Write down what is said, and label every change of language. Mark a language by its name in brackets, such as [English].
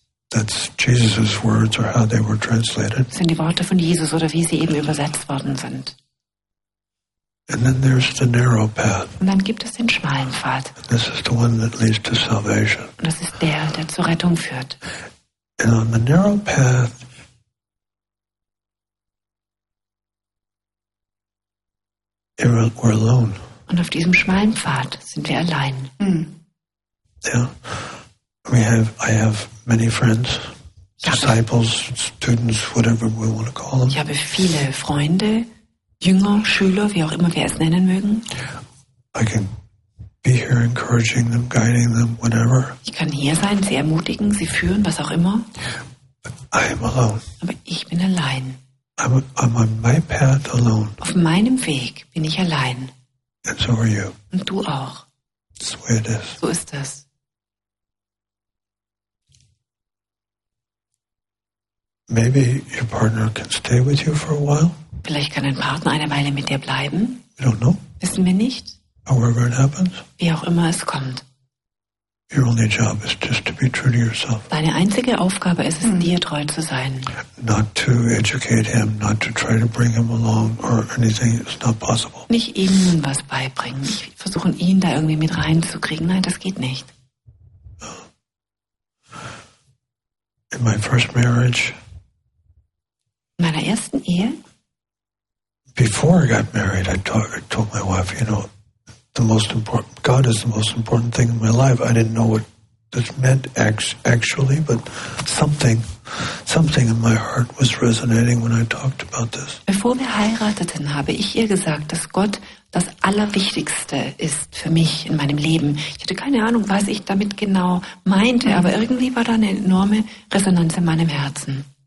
[English] That's Jesus' words or how they were translated. [German] Sind die Worte von Jesus oder wie sie eben übersetzt worden sind. [English] And then there's the narrow path. [German] Und dann gibt es den schmalen Pfad. [English] This is the one that leads to salvation. [German] Und das ist der zur Rettung führt. [English] And on the narrow path, we're alone. [German] Und auf diesem schmalen Pfad sind wir allein. [English] Mm. Yeah, I have many friends. disciples, students, whatever we want to call them. [German] Ich habe viele Freunde, Jünger, Schüler, wie auch immer wir es nennen mögen. [English] I can be here encouraging them, guiding them, whatever. [German] Ich kann hier sein, sie ermutigen, sie führen, was auch immer. [English] I am alone. [German] Aber ich bin allein. [English] I'm on my path alone. [German] Auf meinem Weg bin ich allein. [English] And so are you. [German] Und du auch. [English] That's the way it is. [German] So ist das. [English] Maybe your partner can stay with you for a while. [German] Vielleicht kann ein Partner eine Weile mit dir bleiben. [English] We don't know. [German] Wissen wir nicht. [English] However it happens. [German] Wie auch immer es kommt. [English] Your only job is just to be true to yourself. [German] Deine einzige Aufgabe ist es, dir treu zu sein. [English] Not to educate him, not to try to bring him along or anything. It's not possible. [German] Nicht ihm was beibringen. Nicht versuchen, ihn da irgendwie mit reinzukriegen. Nein, das geht nicht. [English] In my first marriage. [German] In meiner ersten Ehe. [English] Before I got married, I told my wife, you know, the most important, God is the most important thing in my life. I didn't know what this meant actually, but something in my heart was resonating when I talked about this. [German] Bevor wir heirateten, habe ich ihr gesagt, dass Gott das Allerwichtigste ist für mich in meinem Leben. Ich hatte keine Ahnung, was ich damit genau meinte, aber irgendwie war da eine enorme Resonanz in meinem Herzen.